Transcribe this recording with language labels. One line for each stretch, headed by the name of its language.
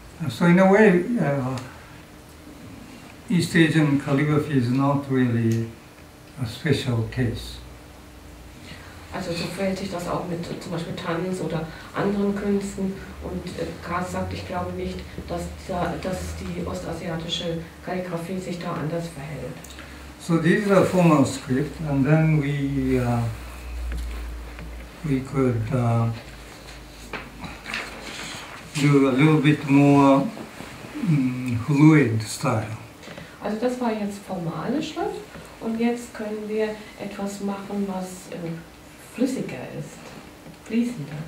English: So in a way, East Asian calligraphy is not really a special case.
German: Also so verhält sich das auch mit zum Beispiel Tanz oder anderen Künsten. Und Kars sagt, ich glaube nicht, dass die ostasiatische Kalligraphie sich da anders verhält.
English: So this is a formal script, and then we could do a little bit more fluid style.
German: Also das war jetzt formale Schrift, und jetzt können wir etwas machen, was flüssiger ist, fließender.